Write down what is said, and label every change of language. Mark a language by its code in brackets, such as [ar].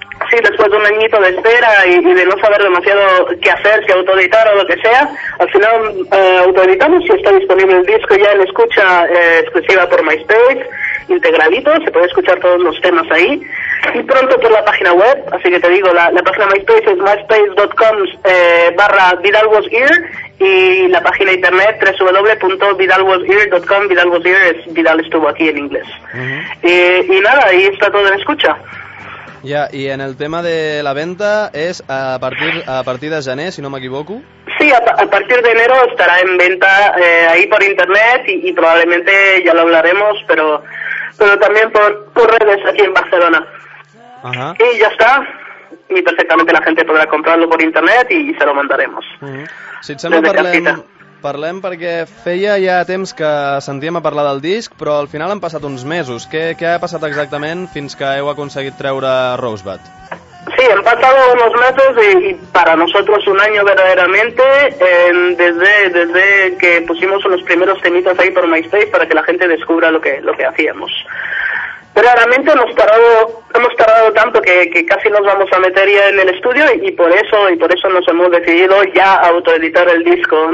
[es] Sí, después de un añito de espera y de no saber demasiado qué hacer, si autoeditar o lo que sea, al final autoeditamos y está disponible el disco ya en escucha exclusiva por MySpace, integradito, se puede escuchar todos los temas ahí, y pronto por la página web, así que te digo, la página MySpace es myspace.com/VidalWasHere y la página internet www.vidalwasHere.com, VidalWasHere es Vidal estuvo aquí en inglés. Uh-huh. Y nada, ahí está todo en escucha. [ca] Ja, i en el tema de la venda és a partir de gener, si no m'equivoco. [es] Sí, a partir de enero estarà en venda ahí por internet y probablement ja lo hablaremos, pero también por redes aquí en Barcelona. Ajá. Y ya está. Y perfectamente la gente podrá comprarlo por internet y se lo mandaremos. [ca] Si et sembla, parlem perquè feia ja temps que sentíem a parlar del disc, però al final han passat uns mesos. Què ha passat exactament fins que heu aconseguit treure Rosebud? [es] Sí, han pasado unos meses y para nosotros un año verdaderamente, desde que pusimos los primeros temitas ahí por MySpace para que la gente descubra lo que hacíamos. Verdaderamente hemos tardado tanto que casi nos vamos a meter ya en el estudio y por eso nos hemos decidido ya autoeditar el disco.